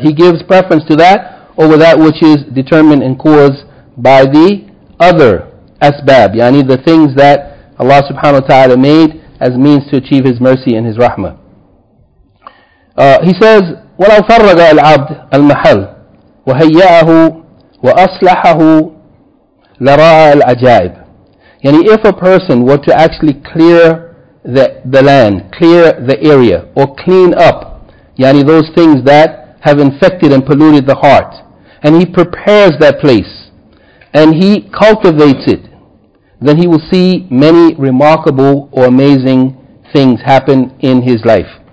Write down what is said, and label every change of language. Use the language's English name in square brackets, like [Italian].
[English] He gives preference to that over that which is determined and caused by the other asbab, the things that Allah subhanahu wa ta'ala made as means to achieve His mercy and His rahmah. He says, [Arabic] وَلَوْ فَرَّغَ الْعَبْدِ الْمَحَلِ وَهَيَّأَهُ وَأَصْلَحَهُ لَرَاءَ الْعَجَائِبِ. [English] Yani if a person were to actually clear the land, clear the area, or clean up those things that have infected and polluted the heart, and he prepares that place and he cultivates it, then he will see many remarkable or amazing things happen in his life.